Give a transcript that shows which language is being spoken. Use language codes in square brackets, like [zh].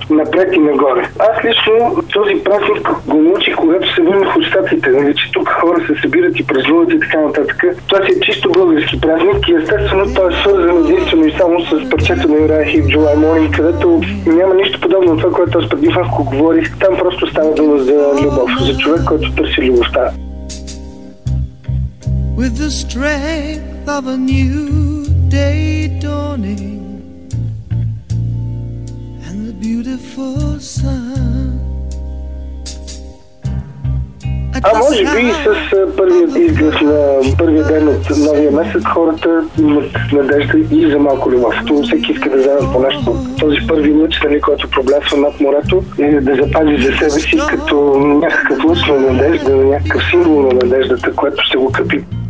[bg] Напред и нагоре. Аз лично този празник го научих, когато се върнах от Щатите, нали, че тук хора се събират и празнуват и така нататък. Това си е чисто български празник и естествено той е свързан единствено и само с парчето на Юрия Хип July Morning, където няма нищо подобно от това, което аз преди малко говорих. Там просто става дума за любов, за човек, който търси любовта. [en] With the strength of a new day dawning and the beautiful sun. [bg] А може би и с първият изглед на първият ден от новия месец хората имат надежда и за малко любов. Това всеки иска да вземе по нещо. Този първи лъч, нали, който проблясва над морето, и да запази за себе си като някакъв лъч на надежда, някакъв символ на надеждата, което ще го крепи.